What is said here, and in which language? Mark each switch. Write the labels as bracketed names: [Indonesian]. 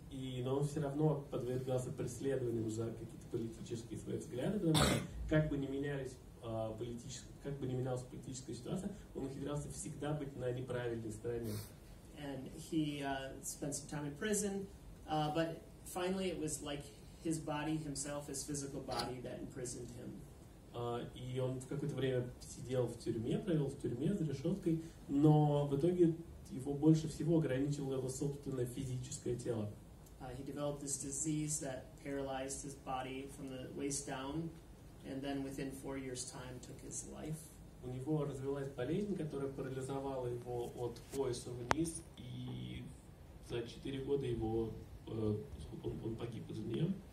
[Russian] И но он все равно подвергался преследованию за какие-то политические свои взгляды, но как бы не менялись политические, как бы не менялась политическая ситуация, он ухитрялся всегда быть на неправильной стороне. [English] And he spent some time in prison, but finally it was like his body himself, his physical body, that imprisoned him. [Russian] И он в какое-то время сидел в тюрьме, провел в тюрьме за решеткой, но в итоге его больше всего ограничило его собственное физическое тело. [English] He developed this disease that paralyzed his body from the waist down, and then within 4 years' time took his life. [Russian] У него развилась болезнь, которая парализовала его от пояса вниз, и за 4 года его он погиб из-за нее.